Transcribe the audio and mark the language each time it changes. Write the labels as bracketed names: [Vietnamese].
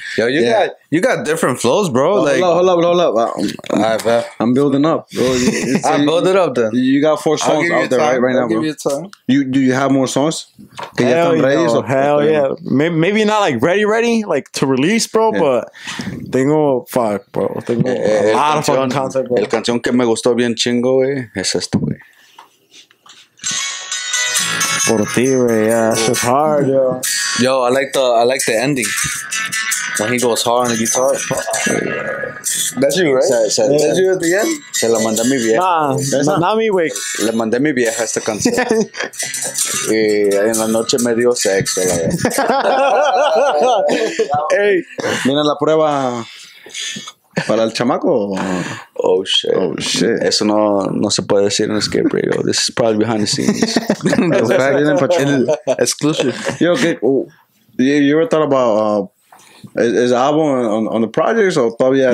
[English] Yo, you got different flows, bro. Oh, like, hold up. I'm building up, bro. I'm building up, then. You got four songs out there right now, bro. I'll give you time. Do you have more songs? Hell yeah. Maybe not like ready, like to release, bro, yeah. But tengo, fuck, bro. Tengo a lot of fucking content, bro. [Spanish] El canción que me gustó bien chingo, güey, es esto, güey. Por ti, güey, [English] yeah, it's hard, yo. Yo, I like the ending. when he goes hard on the guitar. That's you, right? That's you at the end? [Spanish] Se la mandé a mi vieja. [English] Nah, not me, wey. [Spanish] Le mandé a mi vieja esta canción. Y en la noche me dio sexo, la vez. Hey, mira la prueba para el chamaco. [English] Oh shit. Oh shit. [Spanish] Eso no, no se puede decir en Escape Radio. [English] This is probably behind the scenes. [Spanish] Los guys vienen para el exclusive. Yo, ¿qué? Okay. [English] Oh, you ever thought about is the album on the projects or todavía?